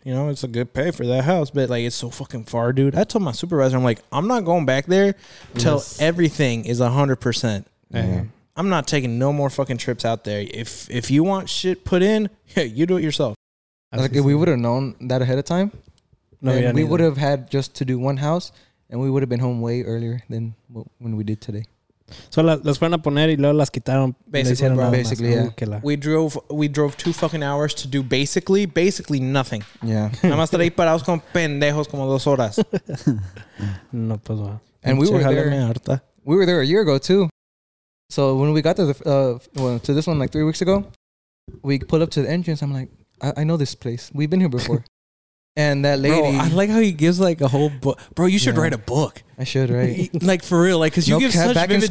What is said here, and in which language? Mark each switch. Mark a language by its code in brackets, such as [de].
[en] You know, it's a good pay for that house, but like it's so fucking far, dude. I told my supervisor, I'm like, I'm not going back there till everything is 100%. Yeah. I'm not taking no more fucking trips out there. If you want shit put in, yeah, you do it yourself. Like, if we would have known that ahead of time, no, we would have had just to do one house, and we would have been home way earlier than when we did today. [es] So, las fueron a poner y luego las quitaron. [en] Basically, yeah. We drove 2 fucking hours to do basically nothing. Yeah. [es] Nada más estar ahí parados con pendejos como 2 horas. No, pues va. [en] And we were there. We were there a year ago, too. So when we got to to this one like 3 weeks ago, we pull up to the entrance. I'm like, I know this place. We've been here before. And that lady. Bro, I like how he gives like a whole book. Bro, you should write a book. I should, right? Like for real. Like, cause you give such vivid